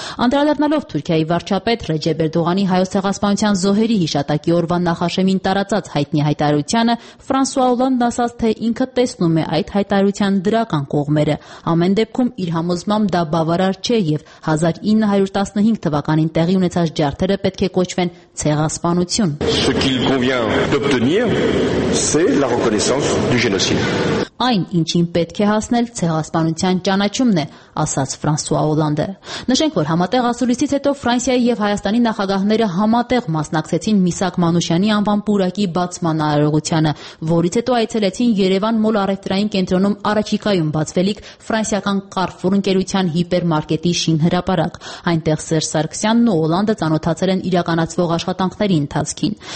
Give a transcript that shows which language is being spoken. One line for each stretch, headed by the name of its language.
Armenian: Անդրադառնալով Թուրքիայի վարչապետ Ռեջեփ Էրդողանի հայոց ցեղասպանության զոհերի հիշատակի օրվա նախաշեմին տարածած հայտնի հայտարարությանը, Ֆրանսուա Օլանդն ասաց, թե ինքը տեսնում է այդ հայտարարության դրական կողմերը, ամեն դեպքում իր համոզմամբ դա բավարար չէ, և 1915 թվականին տեղի ունեցած ջարդերը պետք է կոչվեն ցեղասպանություն։
French: Ce qu'il convient d'obtenir, c'est la reconnaissance du génocide.
Armenian: Այն, ինչին պետք է հասնել, ցեղասպանության ճանաչումն է, ասաց Ֆրանսուա Օլանդը։ Նշենք, որ համատեղ ասուլիսից հետո Ֆրանսիայի և Հայաստանի նախագահները համատեղ մասնակցեցին Միսակ Մանուշյանի անվան պուրակի բացման արարողությանը, որից հետո այցելեցին Երևան Մոլ առևտրային կենտրոնում առաջիկայում բացվելիք ֆրանսիական Carrefour ընկերության հիպերմարկետի շինհրապարակ։ Այնտեղ Սերժ Սարգսյանն ու Օլանդը ծանոթացել են իրականացվող աշխատանքների ընթացքին։